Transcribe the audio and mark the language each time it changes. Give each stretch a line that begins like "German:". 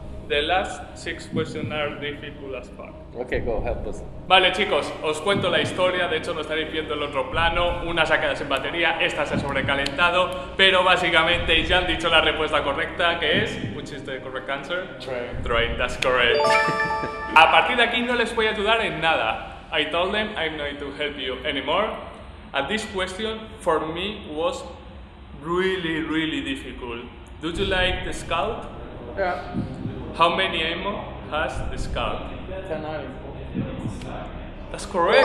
English: the last six questions are difficult as fuck. Okay, go, help us.
Spanish: Vale, chicos, os cuento la historia. De hecho, no estaréis viendo el otro plano. Una se ha quedado sin batería, esta se ha sobrecalentado. Pero básicamente ya han dicho la respuesta correcta, que es...
English: Which is the correct answer? Train, that's correct.
Spanish: A partir de aquí no les voy a ayudar en nada.
English: I told them I'm not going to help you anymore. And this question for me was really, really difficult. Do you like the scout? Yeah. How many ammo has the scout? 10 items. That's correct.